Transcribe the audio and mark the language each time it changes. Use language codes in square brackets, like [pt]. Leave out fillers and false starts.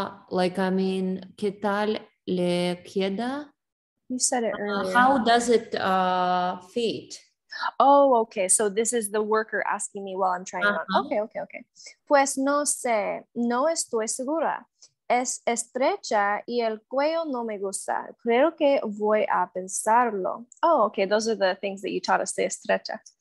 [en] Like, I mean, [es] ¿qué tal le queda? [en] You said it earlier. How does it fit? Oh, okay. So this is the worker asking me while I'm trying on. Okay. [es] Pues no sé, no estoy segura. Es estrecha y el cuello no me gusta. Creo que voy a pensarlo. Oh, okay. [en] Those are the things that you taught us, the estrecha.